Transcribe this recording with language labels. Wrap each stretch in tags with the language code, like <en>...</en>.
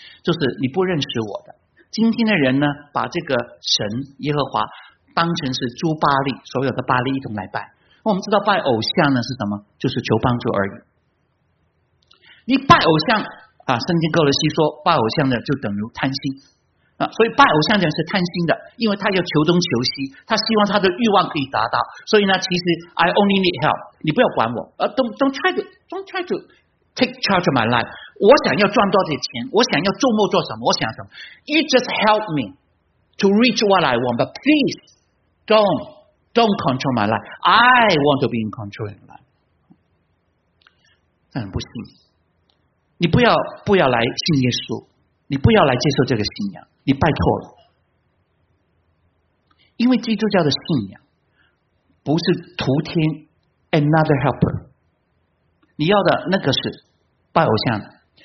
<zh>就是你不认识我的。今天的人呢，把这个神耶和华当成是诸巴利，所有的巴利一同来拜。我们知道拜偶像呢是什么？就是求帮助而已。你拜偶像啊，圣经哥罗西说拜偶像的就等于贪心啊，所以拜偶像的人是贪心的，因为他要求东求西，他希望他的欲望可以达到。所以呢，其实</zh> <en>I only need help，</en> <zh>你不要管我，</zh> <en>don't try to take charge of my life。</en> <zh>我想要赚多少钱，我想要周末做什么，我想什么 ？</zh> <en>You just help me to reach what I want， but please don't control my life。 I want to be in control of my life。</en> <zh>但不信，你不要来信耶稣，你不要来接受这个信仰。你拜托了，因为基督教的信仰不是徒添</zh> <en>another helper，</en> <zh>你要的那个是拜偶像。</zh>